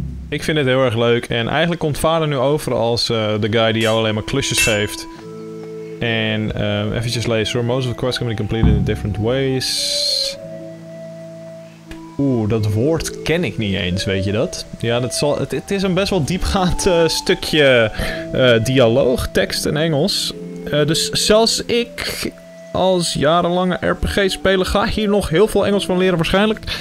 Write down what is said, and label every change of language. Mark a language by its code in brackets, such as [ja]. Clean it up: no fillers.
[nl] Ik vind het heel erg leuk en eigenlijk komt vader nu over als de guy die jou alleen maar klusjes geeft. En eventjes lezen hoor. [en] Most of the quests can be completed in different ways. [nl] Oeh, dat woord ken ik niet eens, weet je dat? Ja, het is een best wel diepgaand stukje dialoog, tekst in Engels. Dus zelfs ik, als jarenlange RPG-speler, ga hier nog heel veel Engels van leren waarschijnlijk.